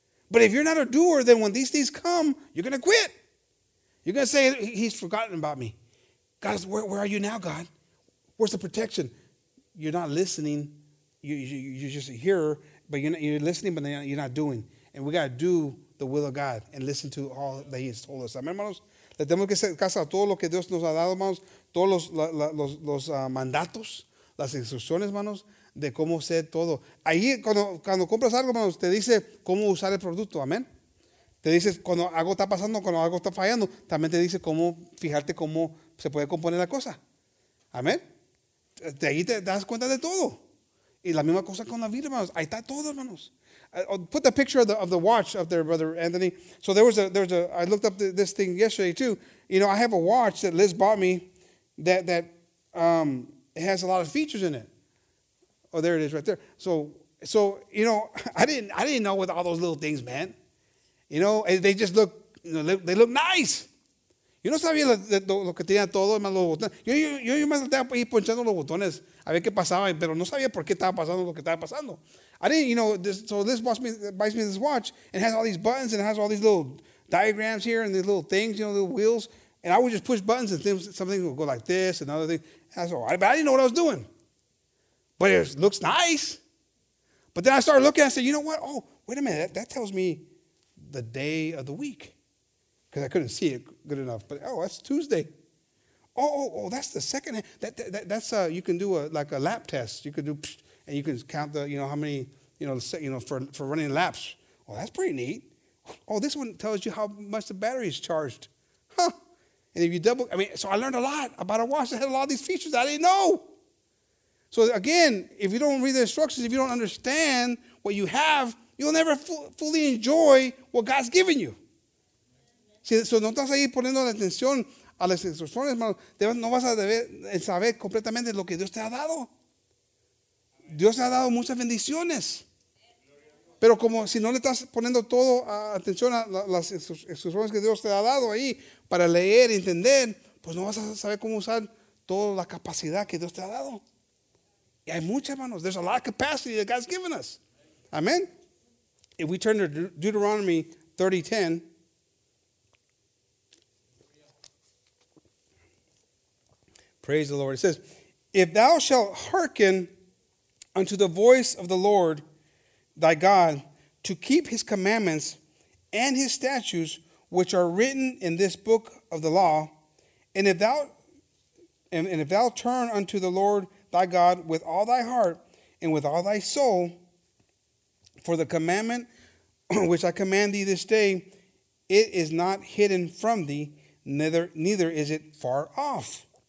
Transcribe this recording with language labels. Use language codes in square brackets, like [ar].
[en] But if you're not a doer, then when these things come, you're going to quit. You're going to say, he's forgotten about me. God, where are you now, God? Where's the protection? You're not listening. You're just a hearer, but you're listening, but you're not doing. And we got to do the will of God and listen to all that he has told us. Amen, hermanos? [es] Le tenemos que hacer caso a todo lo que Dios nos ha dado, hermanos. Todos los mandatos, las instrucciones, hermanos, de cómo hacer todo. Ahí, cuando compras algo, hermanos, te dice cómo usar el producto. Amén. Te dice cuando algo está pasando, cuando algo está fallando, también te dice cómo fijarte cómo se puede componer la cosa. Amén. De ahí te das cuenta de todo. Y la misma cosa con la vida, hermanos. Ahí está todo, hermanos. [en] Put the picture of the watch up there, Brother Anthony. So there was a, I looked up this thing yesterday too. You know, I have a watch that Liz bought me that it has a lot of features in it. Oh, there it is right there. So you know, I didn't know what all those little things meant. You know, they just look, you know, they look nice. [es] Yo no sabía lo que tenía todo, más los botones. Yo me estaba ahí ponchando los botones a ver qué pasaba, pero no sabía por qué estaba pasando lo que estaba pasando. [en] I didn't, you know, this buys me this watch, and it has all these buttons, and it has all these little diagrams here, and these little things, you know, little wheels. And I would just push buttons, and something would go like this, another thing. That's all right, but I didn't know what I was doing. But it looks nice. But then I started looking, I said, you know what? Oh, wait a minute, that tells me the day of the week because I couldn't see it good enough. But, oh, that's Tuesday. Oh, that's the second. That's you can do a lap test. You could do, and you can count the, you know, how many, you know, for running laps. Well, that's pretty neat. Oh, this one tells you how much the battery is charged. Huh. And if you double, I mean, so I learned a lot about a watch that had a lot of these features I didn't know. So again, if you don't read the instructions, if you don't understand what you have, you'll never fully enjoy what God's given you. [es] So no estás ahí poniendo la atención a las instrucciones, hermano. No vas a saber completamente lo que Dios te ha dado. Dios te ha dado muchas bendiciones. Pero como si no le estás poniendo todo atención a las instrucciones que Dios te ha dado ahí para leer y entender, pues no vas a saber cómo usar toda la capacidad que Dios te ha dado. Y hay muchas, hermanos. [en] There's a lot of capacity that God's given us. Amen. If we turn to Deuteronomy 30:10, praise the Lord. It says, if thou shalt hearken unto the voice of the Lord thy God to keep his commandments and his statutes which are written in this book of the law, and if thou turn unto the Lord thy God with all thy heart and with all thy soul for the commandment which I command thee this day, it is not hidden from thee, neither is it far off.